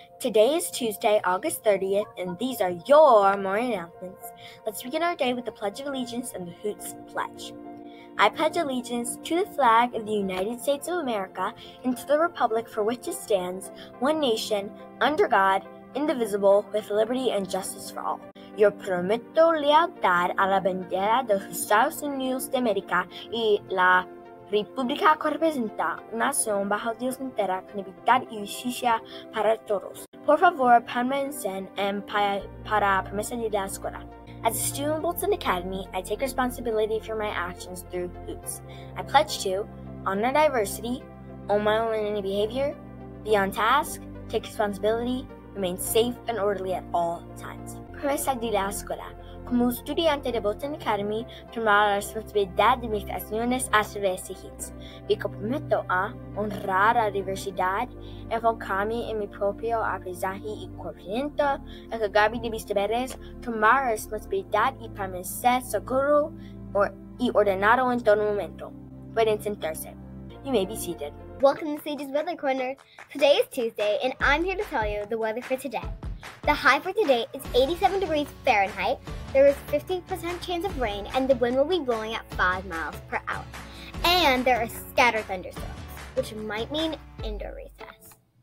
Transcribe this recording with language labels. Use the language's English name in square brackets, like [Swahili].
[English] Today is Tuesday, August 30th, and these are your morning announcements. Let's begin our day with the Pledge of Allegiance and the Hoots Pledge. I pledge allegiance to the flag of the United States of America and to the Republic for which it stands, one nation, under God, indivisible, with liberty and justice for all. [Spanish] Yo prometo lealtad a la bandera de los Estados Unidos de América y la República que representa una nación bajo Dios entera con libertad y justicia para todos. Por favor, permanece en para permiso de la escuela. [English] As a student at Bolton Academy, I take responsibility for my actions through HOOTS. I pledge to honor diversity, own my own learning behavior, be on task, take responsibility, remain safe and orderly at all times. [Spanish] Promesa de la escuela. Como estudiante de Bolton Academy, tomaré la responsabilidad de mis acciones a través de HOOTS. Me comprometo a honrar la diversidad, enfocarme en mi propio aprendizaje y crecimiento, encargarme de mis deberes, tomar la responsabilidad y permanecer seguro y ordenado en todo momento. Pueden sentarse. [English] You may be seated. Welcome to Sage's Weather Corner. Today is Tuesday, and I'm here to tell you the weather for today. The high for today is 87 degrees Fahrenheit. There is 50% chance of rain, and the wind will be blowing at 5 miles per hour. And there are scattered thunderstorms, which might mean indoor recess.